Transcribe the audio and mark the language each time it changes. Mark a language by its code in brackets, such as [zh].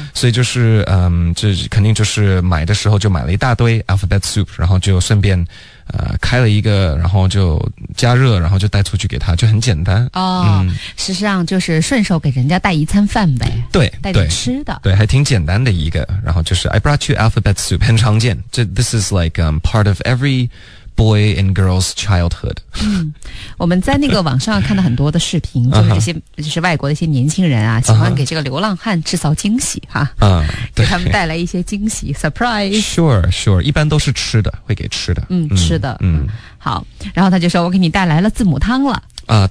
[zh] 所以就是这肯定就是买的时候就买了一大堆 alphabet soup， 然后就顺便开了一个，然后就加热，然后就带出去给他，就很简单。哦，实际上就是顺手给人家带一餐饭呗。对，带点吃的。对，还挺简单的一个。然后就是 [en] I brought you alphabet soup， [zh] 很常见。 [en] This is like part of every boy and girl's childhood。 [zh] 我们在那个网上看到很多的视频，就是这些就是外国的一些年轻人啊，喜欢给这个流浪汉制造惊喜哈。对，给他们带来一些惊喜 ，surprise。 Sure， 一般都是吃的，会给吃的。吃的。好，然后他就说：“我给你带来了字母汤了。”